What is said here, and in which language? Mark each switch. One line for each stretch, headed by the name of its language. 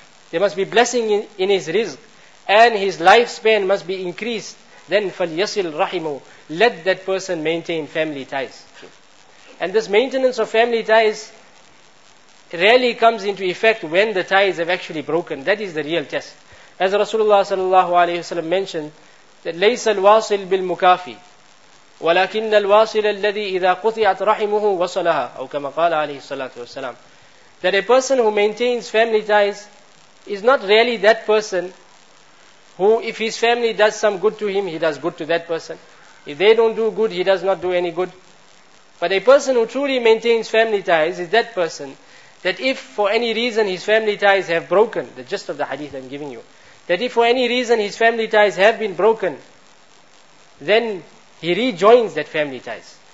English: There must be blessing in his rizq. And his lifespan must be increased. Then
Arabic: فَلْيَصِلْ رَحِمُ,
English: let that person maintain family ties. And this maintenance of family ties rarely comes into effect when the ties have actually broken. That is the real test. As Rasulullah sallallahu alayhi wasallam mentioned, that
Arabic: لَيْسَ الْوَاصِلْ بِالْمُكَافِي وَلَكِنَّ الْوَاصِلَ الَّذِي إِذَا قُطِعَتْ رَحِمُهُ وَصَلَهَا أَوْ كَمَا قَالَ عَلَيْهِ الصَّلَاةُ وَالسَّلَامُ.
English: That a person who maintains family ties is not really that person who, if his family does some good to him, he does good to that person. If they don't do good, he does not do any good. But a person who truly maintains family ties is that person that if for any reason his family ties have broken, the gist of the hadith I'm giving you, that if for any reason his family ties have been broken, then he rejoins that family ties.